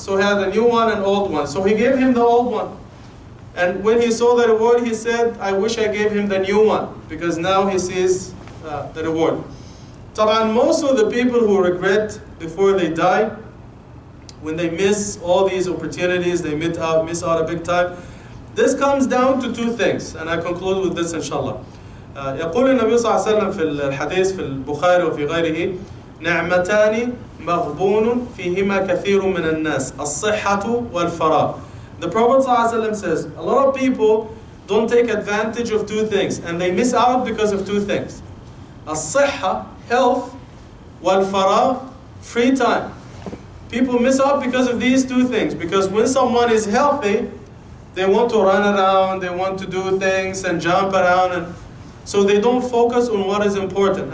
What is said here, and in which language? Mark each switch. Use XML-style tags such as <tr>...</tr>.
<en>So he had a new one and old one. So he gave him the old one. And when he saw the reward, he said, I wish I gave him the new one, because now he sees the reward. Taban, most of the people who regret before they die, when they miss all these opportunities, they miss out a big time. This comes down to two things, and I conclude with this, inshallah.</en> <ar>يقول النبي صلى الله عليه وسلم في الحديث في البخاري وفي غيره نعمتان مغبون فيهما كثير من الناس الصحة والفراغ.</ar> <en>The Prophet</en> <ar>صلى الله عليه وسلم</ar> <en>says, a lot of people don't take advantage of two things, and they miss out because of two things.</en> <ar>الصحة,</ar> <en>health,</en> <ar>والفراغ,</ar> <en>free time. People miss out because of these two things, because when someone is healthy, they want to run around, they want to do things and jump around, and so they don't focus on what is important.</en>